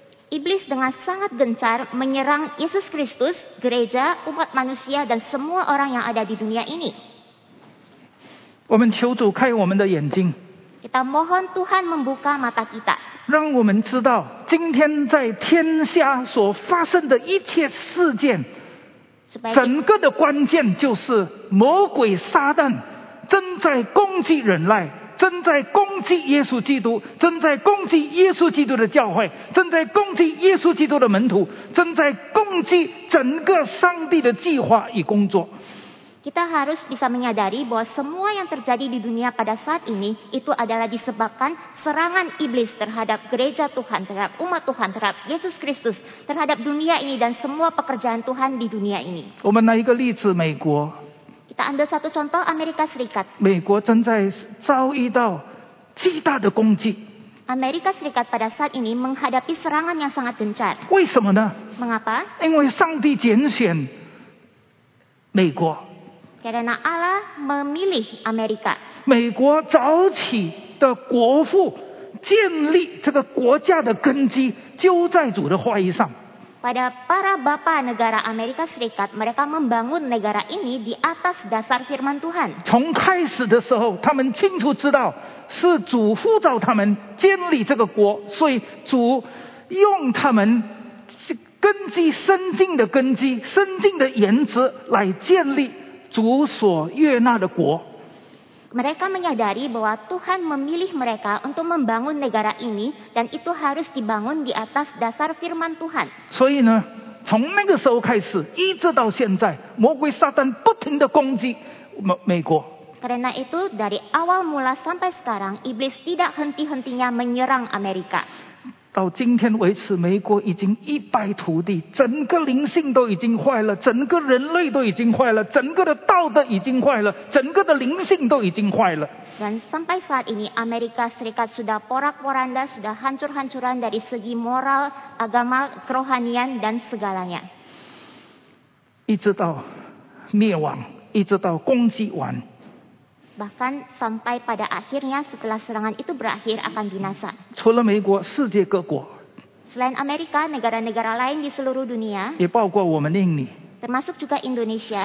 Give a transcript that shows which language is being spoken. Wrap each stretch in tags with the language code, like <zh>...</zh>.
<id>Iblis dengan sangat gencar menyerang Yesus Kristus, gereja, umat manusia dan semua orang yang ada di dunia ini.</id> <zh>我们求主开我们的眼睛。</zh> <id>Kita mohon Tuhan membuka mata kita.</id> <zh>让我们知道, 今天在天下所发生的一切事件, 整个的关键就是魔鬼撒旦正在攻击人类, 正在攻击耶稣基督, 正在攻击耶稣基督的教会, 正在攻击耶稣基督的门徒, 正在攻击整个上帝的计划与工作。</zh> <id>Kita harus bisa menyadari bahwa semua yang terjadi di dunia pada saat ini itu adalah disebabkan serangan iblis terhadap gereja Tuhan, terhadap umat Tuhan, terhadap Yesus Kristus, terhadap dunia ini dan semua pekerjaan Tuhan di dunia ini.</id> <zh>我们拿一个例子, 美国。</zh> <id>Kita ambil satu contoh Amerika Serikat.</id> <zh>美国正在遭遇到巨大的攻击。</zh> <id>Amerika Serikat pada saat ini menghadapi serangan yang sangat gencar.</id> <zh>为什么呢？</zh> <id>Mengapa?</id> <zh>因为上帝拣选美国。</zh> <id>Karena Allah memilih Amerika.</id> <zh>美国早起的国父建立这个国家的根基就在主的话语上。</zh> <id>Pada para bapa negara Amerika Serikat, mereka membangun negara ini di atas dasar firman Tuhan.</id> <zh>从开始的时候，他们清楚知道是主呼召他们建立这个国，所以主用他们根基深进的根基、深进的原则来建立主所悦纳的国。</zh> <id>Mereka menyadari bahwa Tuhan memilih mereka untuk membangun negara ini dan itu harus dibangun di atas dasar firman Tuhan.</id> <zh>所以呢，从那个时候开始，一直到现在，魔鬼撒旦不停地攻击美国。</zh> <id>Karena itu dari awal mula sampai sekarang, iblis tidak henti-hentinya menyerang Amerika.</id> <zh>到今天为止，美国已经一败涂地，整个灵性都已经坏了，整个人类都已经坏了，整个的道德已经坏了，整个的灵性都已经坏了。</zh> <id>Dan sampai saat ini Amerika Serikat sudah porak-poranda, sudah hancur-hancuran dari segi moral, agama, kerohanian dan segalanya.</id> <zh>一直到灭亡，一直到攻击完。</zh> <id>Bahkan sampai pada akhirnya setelah serangan itu berakhir akan binasa.</id> <zh>除了美国，世界各国。</zh> <id>Selain Amerika, negara-negara lain di seluruh dunia.</id> <zh>也包括我们印尼。</zh> <id>Termasuk juga Indonesia.</id>